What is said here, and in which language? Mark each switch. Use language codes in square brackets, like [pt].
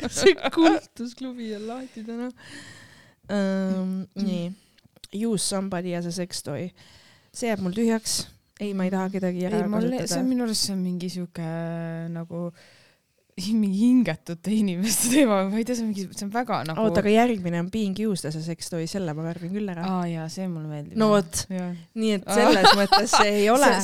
[et] kas see kultusklubi on lahti täna ? nii . [en] Use somebody as a sex toy . [et] see jääb mul tühjaks ei , ma ei taha kedagi ära kasutada . see on minu arust , see on mingi siuke nagu mingi hingetute inimeste teema , ma ei tea , see on mingi , see on väga nagu . oota , aga järgmine on Being Used'e see seks toy , selle ma värvin küll ära . aa jaa , see mulle meeldib . no vot , nii et selles mõttes see ei ole .